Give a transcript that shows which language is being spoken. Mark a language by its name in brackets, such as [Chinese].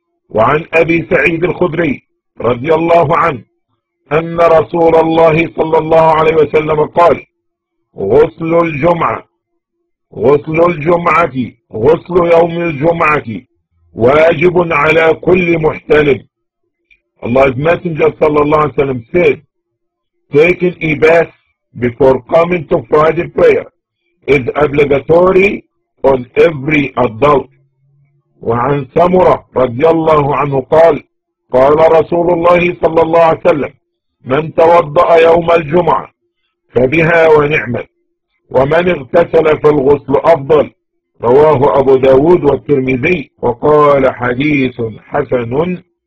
[Arabic] وعن أبي سعيد الخدري رضي الله عنه أن رسول الله صلى الله عليه وسلم قال غسل الجمعة غسل الجمعة غسل يوم الجمعة واجب على كل محتلم. [English] Allah's Messenger [Arabic] صلى الله عليه وسلم [English] said, taking a bath before coming to Friday prayer is obligatory on every adult. [Arabic] وعن سمرة رضي الله عنه قال قال رسول الله صلى الله عليه وسلم من توضأ يوم الجمعة فبها ونعمة ومن اغتسل فالغسل أفضل. رواه أبو داود والترمذي وقال حديث حسن.